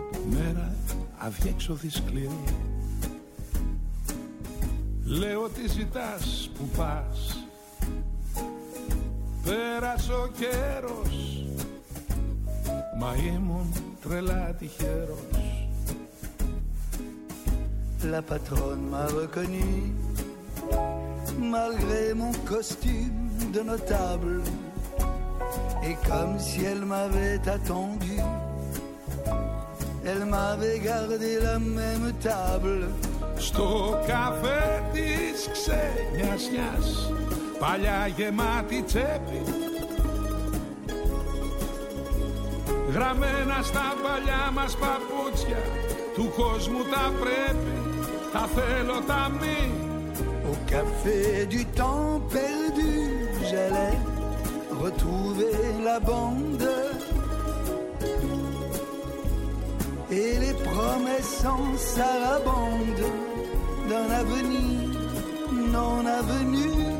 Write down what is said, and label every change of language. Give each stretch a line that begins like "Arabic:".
Greek: Μέρα αδιέξοδη σκληρή. Λέω τι ζητάς που πας. Πέρασε ο καιρός, μα ήμουν τρελά τυχερός.
French: La patronne m'a reconnu malgré mon costume de notable, et comme si elle m'avait attendu, elle m'avait gardé la même table.
Greek: Στο καφέ της ξενιασιάς, παλιά γεμάτη τσέπη, γραμμένα στα παλιά μας παπούτσια, του κόσμου τα πρέπει, τα θέλω τα μη.
French: Au café du temps perdu, j'allais retrouver la bande et les promesses en sarabande d'un avenir non avenu.